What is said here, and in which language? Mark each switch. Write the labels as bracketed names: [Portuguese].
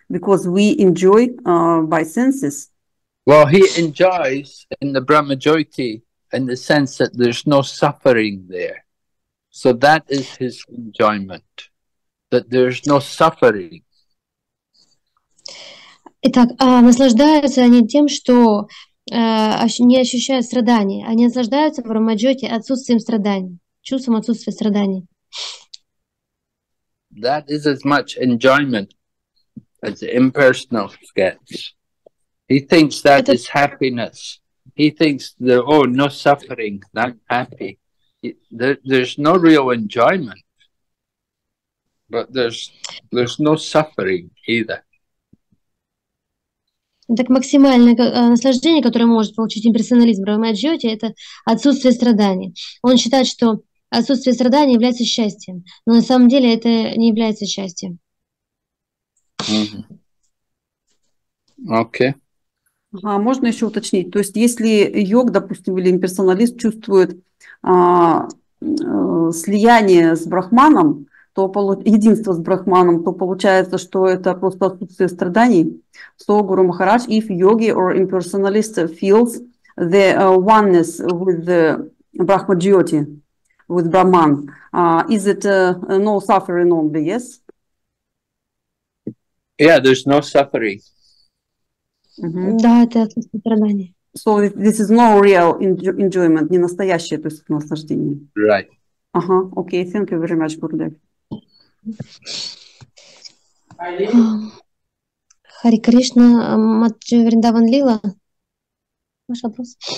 [English] Because we enjoy by senses. Well, he enjoys in the brahmajyoti in the sense that there's no suffering there. So that is his enjoyment, that there's no suffering. [Russian] Итак, наслаждаются они тем, что не ощущают страданий. Они наслаждаются в брахмаджоте отсутствием страданий, чувством отсутствия страданий. [English] That is as much enjoyment as the impersonal gets. He thinks that это... is happiness. He thinks that, oh, no suffering, I'm happy. There's no real enjoyment, but there's no suffering either. [Russian] Так максимальное наслаждение, которое может получить имперсоналист в брахмаджоте, это отсутствие страданий. Он считает, что отсутствие страданий является счастьем, но на самом деле это не является счастьем. Окей. Ага, можно еще уточнить? То есть если йог, допустим, или имперсоналист чувствует слияние с брахманом, то единство с Брахманом, то получается, что это просто отсутствие страданий. [English] So Guru Maharaj, if yogi or impersonalist feels the oneness with the Brahma Jyoti, with Brahman, is it no suffering only, yes? Yeah, there's no suffering. [Russian] Да, это отсутствие страданий. [English] So this is no real enjoyment, [Russian] не настоящее, то есть наслаждение. [English] Right. [Russian] Ага, окей, [English] thank you very much, Гурдев. [Russian] Хари Кришна, Матджи Вриндаван Лила. Ваш вопрос.